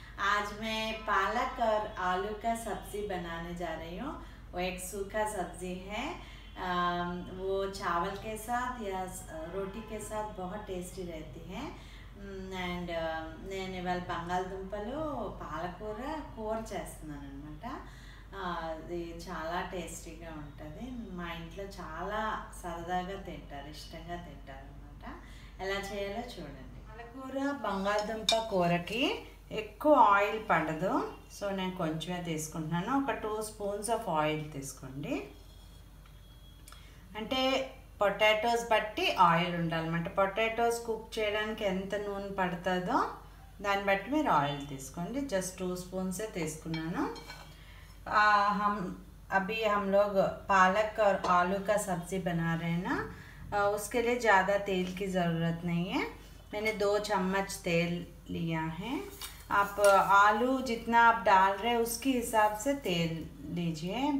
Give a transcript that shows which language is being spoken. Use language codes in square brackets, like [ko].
[hi] आज मैं पालक और आलू का सब्जी बनाने जा रही हूँ। वो एक सूखा सब्जी है, वो चावल के साथ या रोटी के साथ बहुत टेस्टी रहती है। [te] एंड नैने वाल बंगाल दुंपलो पालकूर कूर चेस्तुन्नानु अन्नमाट। అది చాలా టేస్టీగా ఉంటుంది, మా ఇంట్లో చాలా సరదాగా తింటారు, ఇష్టంగా తింటారు అన్నమాట. ఎలా చేయాలో చూడండి. పాలకూర బంగాళదుంప కూరకి ఎక్కువ ఆయిల్ పడదు, సో నేను కొంచెమే తీసుకుంటున్నాను. ఒక [en] 2 spoons of oil [te] తీసుకోండి, అంటే పొటాటోస్ బట్టి ఆయిల్ ఉండాలన్నమాట. పొటాటోస్ కుక్ చేయడానికి ఎంత నూనె పడుతుందో దాన్ని బట్టి మీరు ఆయిల్ తీసుకోండి. జస్ట్ 2 స్పూన్సే తీసుకున్నాను. [hi] अभी हम लोग पालक और आलू का सब्ज़ी बना रहे हैं ना, उसके लिए ज़्यादा तेल की ज़रूरत नहीं है। मैंने 2 चम्मच तेल लिया है। आप आलू जितना आप डाल रहे हैं उसके हिसाब से तेल लीजिए।